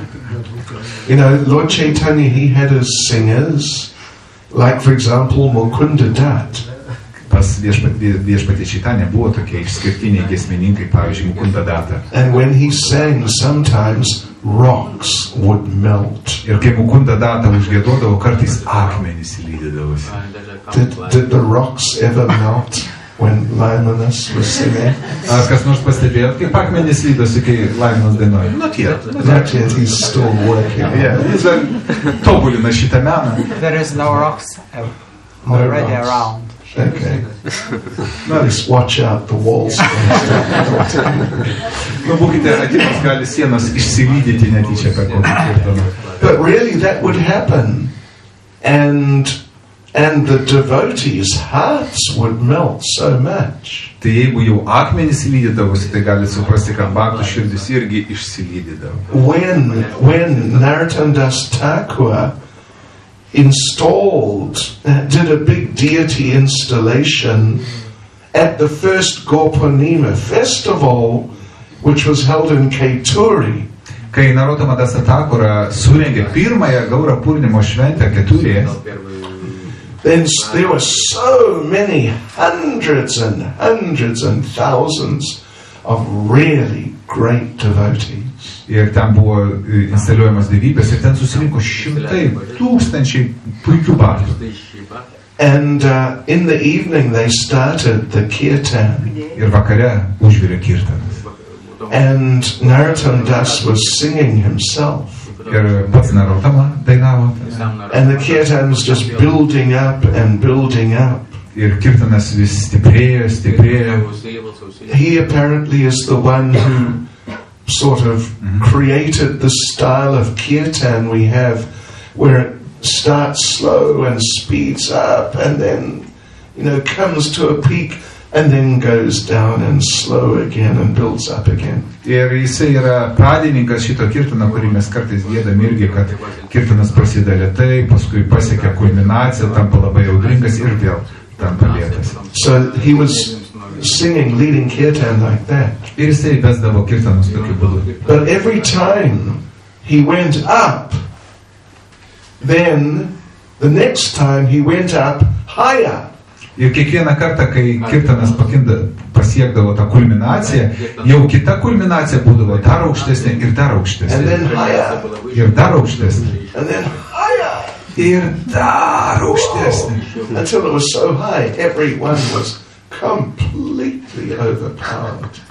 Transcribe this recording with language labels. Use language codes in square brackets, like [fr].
[en] Double, triple. You know, Lord Chaitanya, he had his singers, like for example, Mukunda Dutt. [lt] Pas viešpatė Chaitanya buvo tokie išskirtiniai giesmininkai, pavyzdžiui, Mukunda Dutt. [en] And when he sang, sometimes rocks would melt. [lt] Ir kai Mukunda Dutt užgėdodavo, kartais akmenys lydėdavosi. [en] Did the rocks ever melt when Laimonas was singing? [lt] Ar kas nors pastebėjo, kaip akmenys lydosi, kai Laimonas dainuoja? [en] Not yet, he's still working. [lt] Yeah, tobulina šitą meną. [en] There is no rocks already around. Okay. Just watch out the walls. [lt] Nu būkite atidus, gali sienas išsilydyti netyčia per kokį kirtaną. [en] But really that would happen. And the devotees' hearts would melt so much. [lt] Tai jeigu jau akmenys lydėdavosi, tai gali suprasti, kad bhakto širdis irgi išsilydėdavo. [en] When Narottam Das Thakur did a big deity installation at the first Gopanima festival, which was held in Keturi. [lt] Kai Narottama Das Thakur surengė pirmąją Gaurapurnimo šventę Keturėje, [en] then there were so many hundreds and hundreds and thousands of really great devotees. [lt] Ir ten buvo instaliuojamas dievybės, ir ten susirinko šimtai, tūkstančiai puikių bhaktų. [en] And in the evening they started the kirtan. [lt] Ir vakare užvirė kirtanas. [en] And Narottam Das was singing himself. [lt] Ir pats Narottama dainavo. [en] And the kirtan was just building up and building up. [lt] Ir kirtanas vis stiprėjo, stiprėjo. [en] He apparently is the one who sort of created the style of kirtan we have, where it starts slow and speeds up and then, you know, comes to a peak and then goes down and slow again and builds up again. [lt] Ir jisai yra pradininkas šito kirtano, kurį mes kartais gėdam irgi, kad kirtanas prasideda lėtai, paskui pasiekia kulminaciją, tampa labai audringas ir vėl tam palietas. [en] So he was singing, leading kirtan like that. [lt] Ir jisai vesdavo kirtanus tokiu būdu. [en] But every time he went up, then the next time he went up higher. [lt] Ir kiekvieną kartą, kai kirtanas pasiekdavo tą kulminaciją, jau kita kulminacija būdavo dar aukštesnė ir dar aukštesnė. Ir dar aukštesnė. Ir dar aukštesnė. [en] Until it was so high, everyone was completely overpowered.